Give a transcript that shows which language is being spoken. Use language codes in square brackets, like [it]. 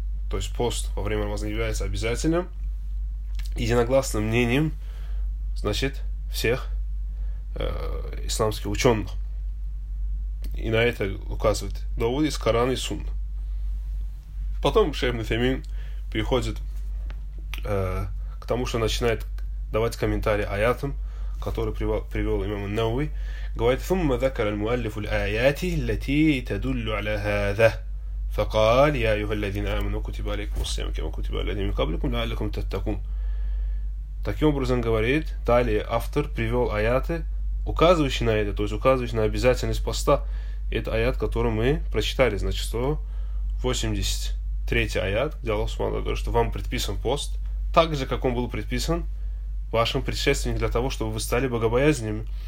[ru] То есть пост во время Рамадана является обязательным. Единогласным мнением, значит, всех исламских ученых. И на это указывает довод из Корана и Сунна. Потом шейх Ибн Таймия переходит к тому, что начинает давать комментарии аятам, которые привел имам ан-Науви. [ar] Говорит: ثم ذكر المؤلف الآيات التي تدل على هذا فقال يا أيها الذين آمنوا كتب عليكم الصيام كما كتب على الذين من قبلكم لعلكم تتقون. [ru] Таким образом говорит, далее автор привел аяты, указывающие на это, то есть указывающие на обязательность поста. Это аят, который мы прочитали, значит, 183 аят, где Аллах Субхану говорит, что вам предписан пост, так же, как он был предписан вашим предшественникам для того, чтобы вы стали богобоязненными.